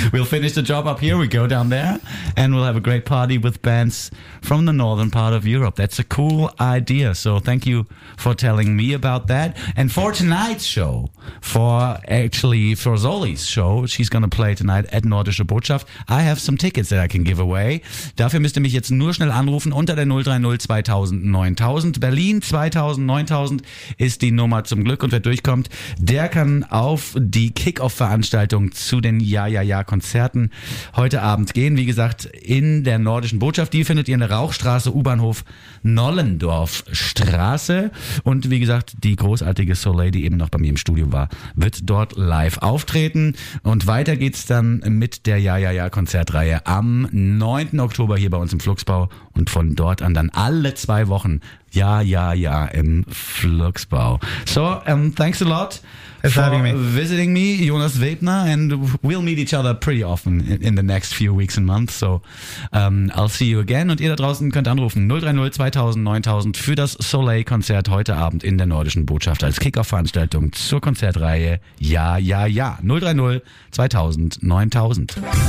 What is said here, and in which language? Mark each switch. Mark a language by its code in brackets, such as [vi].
[en] We'll finish the job up here, we go down there, and we'll have a great party with bands from the northern part of Europe. That's a cool idea. So thank you for telling me about that. And for tonight's show, for Zoli's show, she's going to play tonight at Nordische Botschaft. I have some tickets that I can give away. [de] Dafür müsst ihr mich jetzt nur schnell anrufen unter der 030 2000 9000. Berlin 2000 9000 ist die Nummer zum Glück. Und wer durchkommt, der kann auf die Kick-Off-Veranstaltung zu den Ja-Ja-Ja-Konzerten heute Abend gehen. Wie gesagt, in der Nordischen Botschaft. Die findet ihr in der Rauchstraße, U-Bahnhof Nollendorfstraße. Und wie gesagt, die großartige Soleil, die eben noch bei mir im Studio war, wird dort live auftreten. Und weiter geht's dann mit der Ja-Ja-Ja-Konzertreihe am 9. Oktober hier bei uns im Fluxbau. Und von dort an dann alle zwei Wochen Ja, ja, ja, im Fluxbau. [en] So, thanks a lot for visiting me, Jonas Webner, and we'll meet each other pretty often in the next few weeks and months. So, I'll see you again. [de] Und ihr da draußen könnt anrufen 030 2000 9000 für das Soleil-Konzert heute Abend in der Nordischen Botschaft als Kick-Off-Veranstaltung zur Konzertreihe Ja, ja, ja. 030 2000 9000.